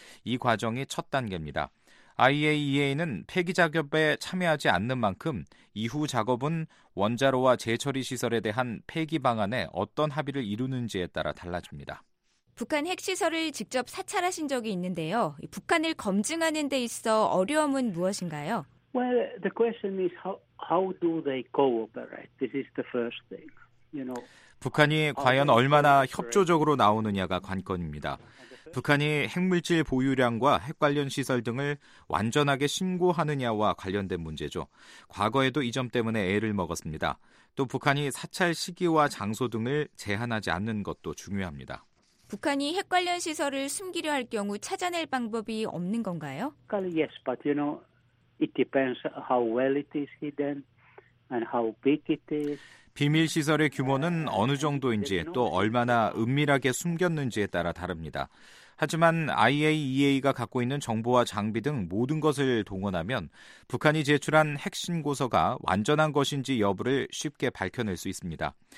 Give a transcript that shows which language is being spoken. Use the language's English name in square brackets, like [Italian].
[Korean] 이 과정이 첫 단계입니다. IAEA는 폐기 작업에 참여하지 않는 만큼 이후 작업은 원자로와 재처리 시설에 대한 폐기 방안에 어떤 합의를 이루는지에 따라 달라집니다. 북한 핵시설을 직접 사찰하신 적이 있는데요. 북한을 검증하는 데 있어 어려움은 무엇인가요? [English] Well, the question is how do they cooperate? This is the first thing. You know. [Korean] 북한이 과연 얼마나 협조적으로 나오느냐가 관건입니다. 북한이 핵물질 보유량과 핵 관련 시설 등을 완전하게 신고하느냐와 관련된 문제죠. 과거에도 이 점 때문에 애를 먹었습니다. 또 북한이 사찰 시기와 장소 등을 제한하지 않는 것도 중요합니다. 북한이 핵 관련 시설을 숨기려 할 경우 찾아낼 방법이 없는 건가요? [English] Yes, but you know, it depends how well it is hidden and how big it is. [Korean] 비밀 시설의 규모는 어느 정도인지 또 얼마나 은밀하게 숨겼는지에 따라 다릅니다. 하지만 IAEA가 갖고 있는 정보와 장비 등 모든 것을 동원하면 북한이 제출한 핵신고서가 완전한 것인지 여부를 쉽게 밝혀낼 수 있습니다.